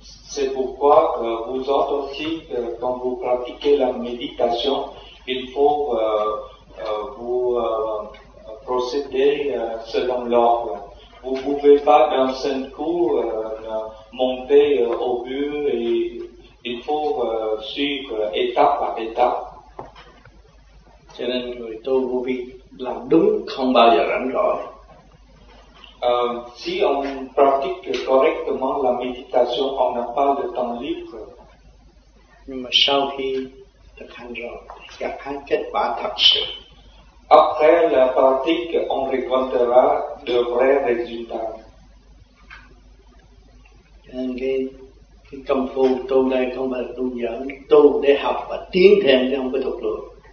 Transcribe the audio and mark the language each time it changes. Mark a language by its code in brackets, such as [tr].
[fr] C'est pourquoi vous autres aussi quand vous pratiquez la méditation, il faut vous procéder selon l'ordre. Vous pouvez pas d'un seul coup monter au but et il faut suivre étape par étape. [vi] Cho nên người tu vô vi làm đúng không bao giờ rảnh rỗi. [fr] Si on pratique correctement la méditation, on n'a pas de temps libre. [vi] Nhưng mà sau khi thực hành rồi, gặp hai kết quả thật sự. [fr] Après la pratique, on rencontrera de vrais résultats. [vi] Cái công phu tu đây không phải tu giỡn, tu để học và tiến thêm chứ không có thuộc lượng.